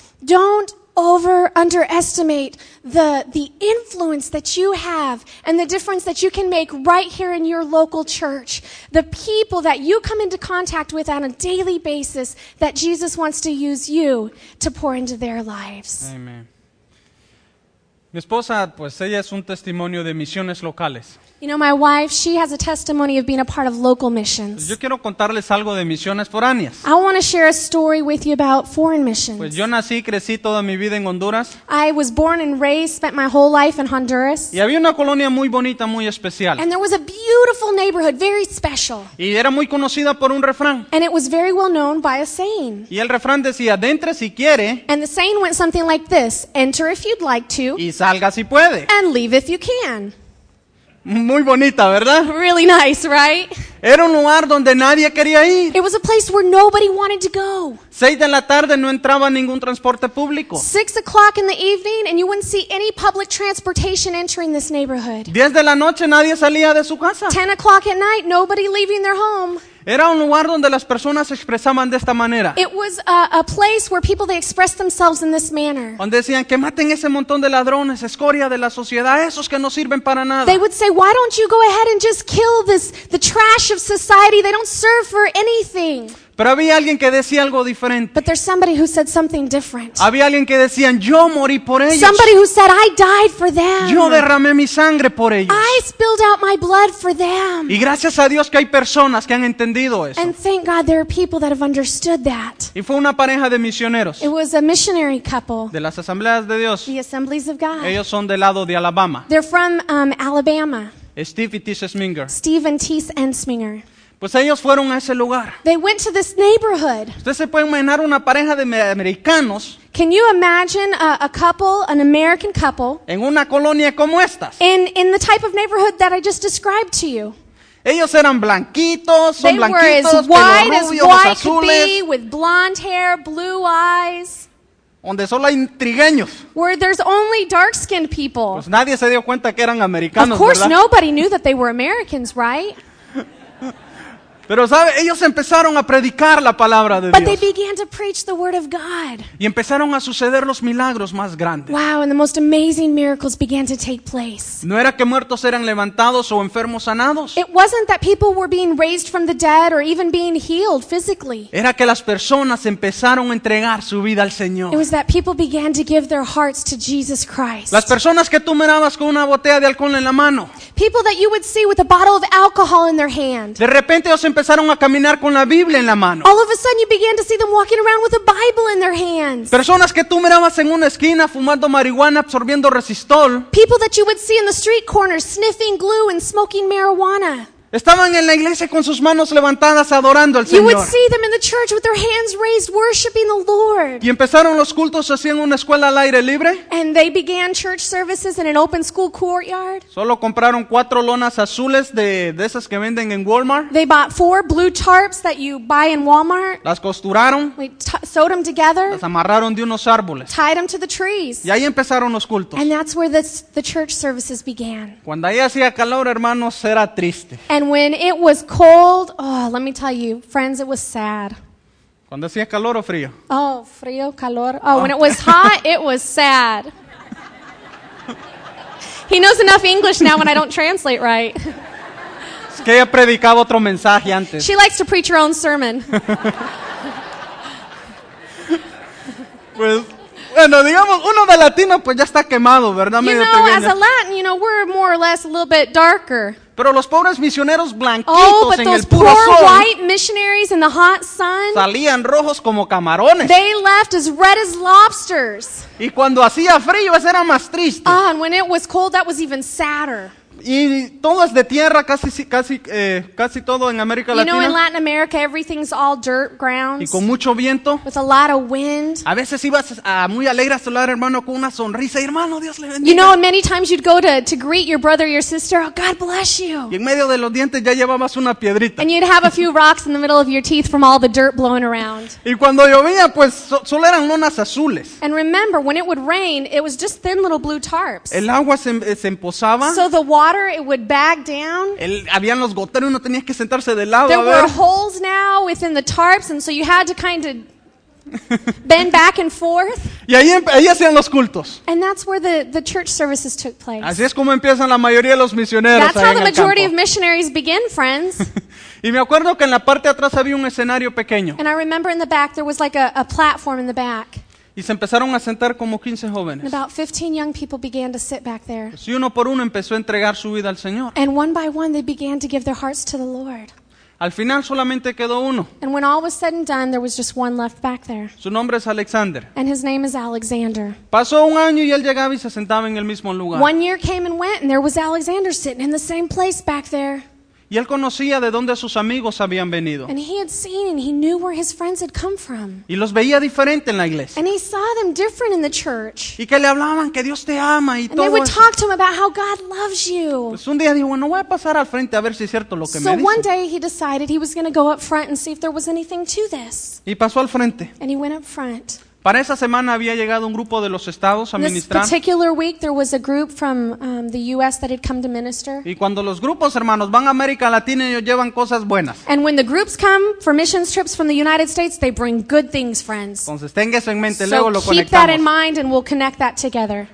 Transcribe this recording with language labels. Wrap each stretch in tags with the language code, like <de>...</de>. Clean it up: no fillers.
<en>Don't underestimate the influence that you have and the difference that you can make right here in your local church. The people that you come into contact with on a daily basis that Jesus wants to use you to pour into their lives. Amen.</en> <es>Mi esposa, pues ella es un testimonio de misiones locales.</es> <en>You know, my wife, she has a testimony of being a part of local missions.</en> <es>Yo quiero contarles algo de misiones foráneas.</es> <en>I want to share a story with you about foreign missions.</en> <es>Pues yo nací, crecí toda mi vida en Honduras.</es> <en>I was born and raised, spent my whole life in Honduras.</en> <es>Y había una colonia muy bonita, muy especial.</es> <en>And there was a beautiful neighborhood, very special.</en> <es>Y era muy conocida por un refrán.</es> <en>And it was very well known by a saying.</en> <es>Y el refrán decía, entre si quiere.</es> <en>And the saying went something like this, enter if you'd like to.</en> <es>Y salga si puede.</es> <en>And leave if you can.</en> <es>Muy bonita, ¿verdad?</es> <en>Really nice, right?</en> <es>Era un lugar donde nadie quería ir.</es> <en>It was a place where nobody wanted to go.</en> <es>6 de la tarde no entraba ningún transporte público.</es> <en>6 o'clock in the evening and you wouldn't see any public transportation entering this neighborhood.</en> <es>10 de la noche nadie salía de su casa.</es> <en>10 o'clock at night, nobody leaving their home.</en> <es>Era un lugar donde las personas expresaban de esta manera.</es> <en>It was a place where people they expressed themselves in this manner.</en> <es>Donde decían que maten ese montón de ladrones, escoria de la sociedad, esos que no sirven para nada.</es> <en>They would say, why don't you go ahead and just kill the trash of society? They don't serve for anything.</en> <es>Pero había alguien que decía algo diferente.</es> <en>But there's somebody who said something different.</en> <es>Había alguien que decían, yo morí por ellos.</es> <en>Somebody who said, I died for them.</en> <es>Yo derramé mi sangre por ellos.</es> <en>I spilled out my blood for them.</en> <es>Y gracias a Dios que hay personas que han entendido eso.</es> <en>And thank God there are people that have understood that.</en> <es>Y fue una pareja de misioneros.</es> <en>It was a missionary couple.</en> <es>De las Asambleas de Dios.</es> <en>The Assemblies of God.</en> <es>Ellos son del lado de Alabama.</es> <en>They're from Alabama. Steve and Tisha Sminger. Steve and Tisha Sminger.</en> <es>Pues ellos fueron a ese lugar.</es> <en>They went to this neighborhood.</en> <es>¿Usted se puede imaginar una pareja de americanos?</es> <en>Can you imagine a couple, an American couple?</en> <es>En una colonia como estas.</es> <en>In the type of neighborhood that I just described to you.</en> <es>Ellos eran blanquitos, son blanquitos, pero rubios,</es> <en>white as white could be, with blonde hair, blue eyes.</en> <es>Donde solo hay trigueños.</es> <en>Where there's only dark-skinned people.</en> <es>Pues nadie se dio cuenta que eran americanos, ¿verdad?</es> <en>Of course,</en> <es>¿verdad?</es> <en>Nobody knew that they were Americans, right?</en> <es>Pero sabe, ellos empezaron a predicar la palabra de</es> <en>But</en> <es>Dios.</es> <en>But they began to preach the word of God.</en> <es>Y empezaron a suceder los milagros más grandes.</es> <en>Wow, and the most amazing miracles began to take place.</en> <es>No era que muertos eran levantados o enfermos sanados.</es> <en>It wasn't that people were being raised from the dead or even being healed physically.</en> <es>Era que las personas empezaron a entregar su vida al Señor.</es> <en>It was that people began to give their hearts to Jesus Christ.</en> <es>Las personas que tú mirabas con una botella de alcohol en la mano.</es> <en>People that you would see with a bottle of alcohol in their hand.</en> <es>De repente empezaron a caminar con la Biblia en la mano.</es> <en>All of a sudden you began to see them walking around with a Bible in their hands.</en> <es>Personas que tú mirabas en una esquina fumando marihuana, absorbiendo resistol.</es> <en>People that you would see in the street corner sniffing glue and smoking marijuana.</en> <es>Estaban en la iglesia con sus manos levantadas adorando al Señor.</es> <en>You would see them in the church with their hands raised worshiping the Lord.</en> <es>Y empezaron los cultos así en una escuela al aire libre.</es> <en>And they began church services in an open school courtyard.</en> <es>Solo compraron 4 lonas azules de esas que venden en Walmart.</es> <en>They bought 4 blue tarps that you buy in Walmart.</en> <es>Las costuraron.</es> <en>Sewed them together.</en> <es>Las amarraron de unos árboles.</es> <en>Tied them to the trees.</en> <es>Y ahí empezaron los cultos.</es> <en>And that's where the church services began.</en> <es>Cuando ahí hacía calor, hermanos, era triste.</es> <en>And when it was cold, oh, let me tell you, friends, it was sad.</en> <es>¿Cuando hacía calor o frío? Oh, frío, calor.</es> <en>Oh, oh, when it was hot, it was sad. He knows enough English now when I don't translate right.</en> <es>Es que ella predicaba otro mensaje antes.</es> <en>She likes to preach her own sermon.</en> <es>Pues, bueno, digamos, uno de latino, pues ya está quemado, ¿verdad?</es> <en>You know, as a Latin, you know, we're more or less a little bit darker.</en> <es>Pero los pobres misioneros blanquitos oh, en el puro sol.</es> <en>Oh, but those poor white missionaries in the hot sun.</en> <es>Salían rojos como camarones.</es> <en>They left as red as lobsters.</en> <es>Y cuando hacía frío, eso era más triste.</es> <en>Ah, and when it was cold, that was even sadder.</en> <es>Y todo es de tierra, casi todo en América Latina.</es> <en>You know, in Latin America, everything's all dirt grounds.</en> <es>Y con mucho viento.</es> <en>With a lot of wind.</en> <es>A veces ibas muy alegre a saludar, hermano, con una sonrisa. Y, hermano, Dios le bendiga.</es> <en>You know, and many times you'd go to greet your brother or your sister. Oh, God bless you.</en> <es>Y en medio de los dientes ya llevabas una piedrita.</es> <en>And you'd have a few rocks in the middle of your teeth from all the dirt blowing around.</en> <es>Y cuando llovía, pues solo eran lonas azules.</es> <en>And remember, when it would rain, it was just thin little blue tarps.</en> <es>El agua se empozaba.</es> <en>So the water, it would back down.</en> <es>Habían los goteros, uno tenía que sentarse de lado.</es> <en>There were holes now within the tarps, and so you had to kind of bend back and forth.</en> <es>Y ahí hacían los cultos.</es> <en>And that's where the church services took place.</en> <es>Así es como empiezan la mayoría de los misioneros.</es> <en>That's how the majority of missionaries begin, friends.</en> <es>Y me acuerdo que en la parte de atrás había un escenario pequeño.</es> <en>And I remember in the back there was like a platform in the back.</en> <es>Y se empezaron a sentar como 15 jóvenes.</es> <en>And about 15 young people began to sit back there.</en> <es>Y uno por uno empezó a entregar su vida al Señor.</es> <en>And one by one they began to give their hearts to the Lord.</en> <es>Al final solamente quedó uno.</es> <en>And when all was said and done, there was just one left back there.</en> <es>Su nombre es Alexander.</es> <en>And his name is Alexander.</en> <es>Pasó un año y él llegaba y se sentaba en el mismo lugar.</es> <en>One year came and went, and there was Alexander sitting in the same place back there.</en> <es>Y él conocía de dónde sus amigos habían venido.</es> <en>And he had seen and he knew where his friends had come from.</en> <es>Y los veía diferente en la iglesia.</es> <en>And he saw them different in the church.</en> <es>Y que le hablaban que Dios te ama y</es> <en>and</en> <es>todo.</es> <en>And they would</en> <es>eso.</es> <en>Talk to him about how God loves you.</en> <es>Pues un día dijo, bueno, voy a pasar al frente a ver si es cierto lo que me dice.</es> <en>So one day he decided he was going to go up front and see if there was anything to this.</en> <es>Y pasó al frente.</es> <en>And he went up front.</en> <es>Para esa semana había llegado un grupo de los estados a</es> <en>This</en> <es>ministrar.</es> <en>This particular week there was a group from the U.S. that had come to minister.</en> <es>Y cuando los grupos, hermanos, van a América Latina, ellos llevan cosas buenas.</es> <en>And when the groups come for missions trips from the United States, they bring good things, friends.</en> <es>Entonces, tenga eso en mente,</es> <en>so</en> <es>luego lo conectamos.</es> <en>So keep that in mind and we'll connect that together.</en>